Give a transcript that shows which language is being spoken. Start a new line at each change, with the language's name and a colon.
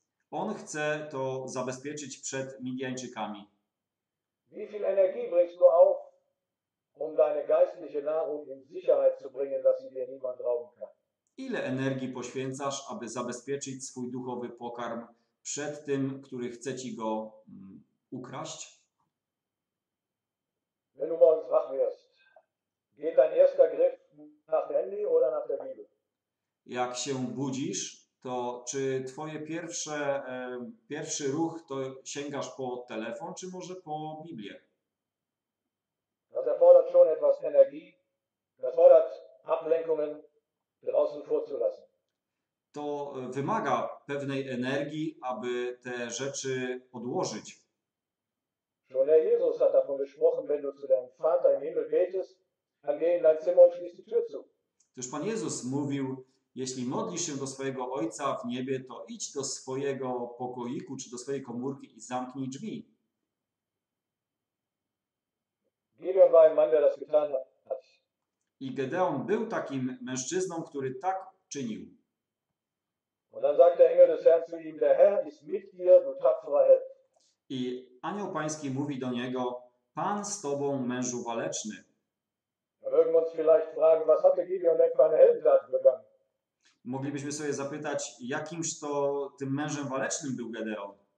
Polish: On chce to zabezpieczyć przed Midianczykami.
German: Wie viel Energie bringst du auf, um deine geistliche Nahrung in Sicherheit zu bringen, dass sie dir niemand rauben kann?
Polish: Ile energii poświęcasz, aby zabezpieczyć swój duchowy pokarm przed tym, który chce ci go ukraść?
German: Wenn du morgens wach wirst, geht dein erster Griff nach dem Handy oder nach der Bibel?
Polish: Jak się budzisz, to czy twoje pierwszy ruch to sięgasz po telefon, czy może po Biblię?
German: Das erfordert schon etwas Energie, das erfordert Ablenkungen draußen vorzulassen.
Polish: To wymaga pewnej energii, aby te rzeczy odłożyć.
German: Schon der Jesus hat davon gesprochen, wenn du zu deinem Vater im Himmel betest, dann geh in dein Zimmer und schließ die Tür zu.
Polish: Toż Pan Jezus mówił: jeśli modlisz się do swojego Ojca w niebie, to idź do swojego pokoiku czy do swojej komórki i zamknij drzwi.
German: Gideon war ein Mann, der das getan hat.
Polish: I Gedeon był takim mężczyzną, który tak czynił.
German: Und dann sagt der Engel des Herrn zu ihm: Der Herr ist mit dir, du tapferer Held.
Polish: I anioł Pański mówi do niego: Pan z tobą, mężu waleczny.
German: Mögen wir uns vielleicht fragen, was hatte Gideon denn für eine Heldentat begangen?
Polish: Moglibyśmy sobie zapytać, jakimś to tym mężem walecznym był Gedeon.